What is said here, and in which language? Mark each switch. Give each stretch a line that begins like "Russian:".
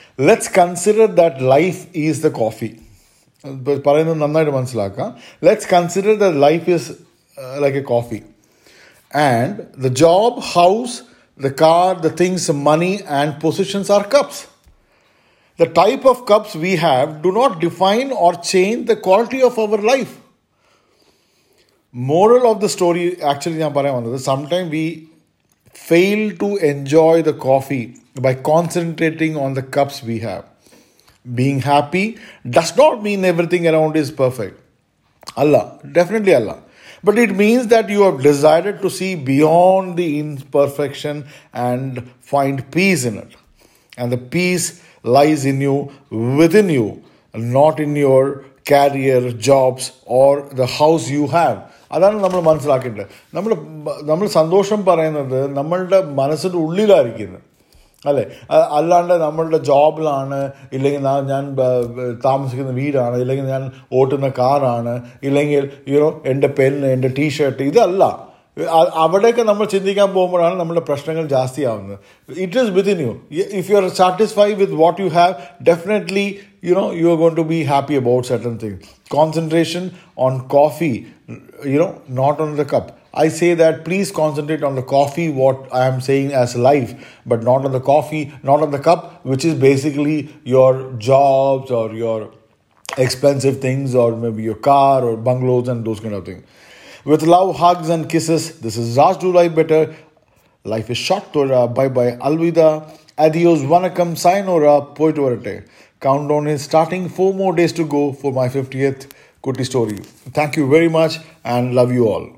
English: Let's consider that life is the coffee.
Malayalam: ഇപ്പോൾ പറയുന്നത് നന്നായിട്ട് മനസ്സിലാക്കാം.
English: Let's consider the life is like a coffee and the job house the car the things money and positions are cups. The type of cups we have do not define or change the quality of our life. Moral of the story, actually, I'm saying one of the, sometimes we fail to enjoy the coffee by concentrating on the cups we have. Being happy does not mean everything around is perfect. Allah, definitely Allah. But it means that you have decided to see beyond the imperfection and find peace in it. And the peace lies in you, within you, not in your career, jobs, or the house you have.
Malayalam: അതാണ് നമ്മൾ മനസ്സിലാക്കേണ്ടത്. നമ്മൾ നമ്മൾ സന്തോഷം പറയുന്നത് നമ്മളുടെ മനസ്സിൻ്റെ ഉള്ളിലായിരിക്കുന്നത് അല്ലേ, അല്ലാണ്ട് നമ്മളുടെ ജോബിലാണ്, ഇല്ലെങ്കിൽ ഞാൻ താമസിക്കുന്ന വീടാണ്, ഇല്ലെങ്കിൽ ഞാൻ ഓട്ടുന്ന കാറാണ്, ഇല്ലെങ്കിൽ യുനോ എൻ്റെ പെന്ന്, എൻ്റെ ടീഷർട്ട്, ഇതല്ല. അവിടെയൊക്കെ നമ്മൾ ചിന്തിക്കാൻ പോകുമ്പോഴാണ് നമ്മുടെ പ്രശ്നങ്ങൾ ജാസ്തിയാവുന്നത്.
English: It is within you. If you are satisfy with what you have, definitely you know you are going to be happy about certain things. Concentration on coffee, you know, not on the cup. I say that please concentrate on the coffee what I am saying as life, but not on the coffee, not on the cup which is basically your jobs or your expensive things or may be your car or bungalows and those kind of things. With love, hugs and kisses, this is Raj Do Life Better. Life is short, Tora. Bye-bye. Alvida. Adios. Vanakkam. Sayonara. Poet Varate. Countdown is starting. 4 more days to go for my 50th Kutty Story. Thank you very much and love you all.